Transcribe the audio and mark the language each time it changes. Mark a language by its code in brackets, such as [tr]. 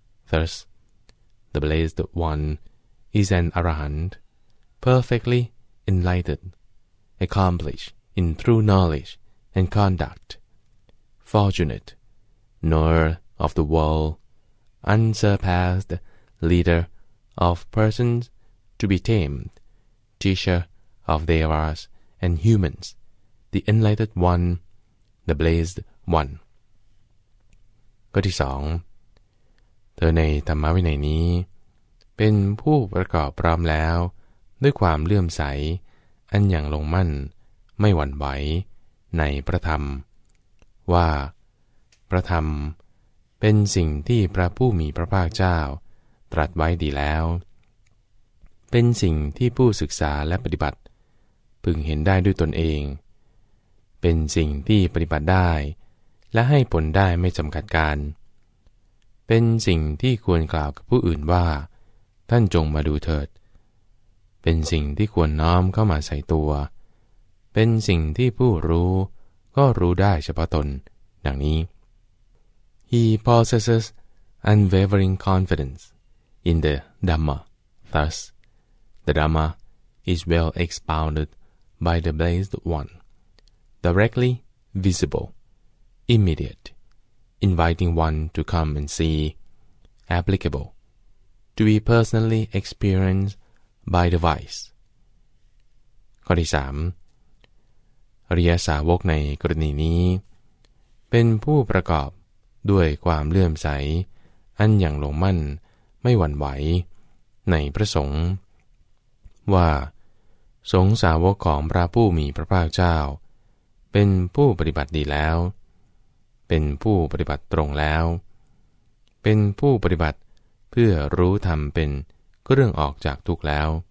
[en] Thus, the Blessed One is an Arahant, perfectly enlightened, accomplished in true knowledge and conduct, fortunate, knower of the world, unsurpassed leader of persons to be tamed, teacher of devas and humans, the enlightened one, the Blessed One. [th] ข้อที่สองเธอในธรรมวินัยนี้เป็นผู้ประกอบพร้อมแล้วด้วยความเลื่อมใสอันอย่างลงมั่นไม่หวั่นไหวในพระธรรมว่าพระธรรมเป็นสิ่งที่พระผู้มีพระภาคเจ้าตรัสไว้ดีแล้ว เป็นสิ่งที่ผู้ศึกษาและปฏิบัติพึงเห็นได้ด้วยตนเองเป็นสิ่งที่ปฏิบัติได้และให้ผลได้ไม่จำกัดการเป็นสิ่งที่ควรกล่าวกับผู้อื่นว่าท่านจงมาดูเถิดเป็นสิ่งที่ควรน้อมเข้ามาใส่ตัวเป็นสิ่งที่ผู้รู้ก็รู้ได้เฉพาะตนดังนี้ He possesses unwavering confidence in the Dhamma. [en] Thus, the Dhamma is well expounded by the Blessed One, directly visible. Immediate, inviting one to come and see, applicable, to be personally experienced by the wise. [th] ข้อที่สามอริยสาวกในกรณีนี้เป็นผู้ประกอบด้วยความเลื่อมใสอันอย่างลงมั่นไม่หวั่นไหวในพระสงฆ์ว่าสงฆ์สาวกของพระผู้มีพระภาคเจ้าเป็นผู้ปฏิบัติดีแล้วเป็นผู้ปฏิบัติตรงแล้วเป็นผู้ปฏิบัติเพื่อรู้ธรรมเป็นเรื่องออกจากทุกข์แล้ว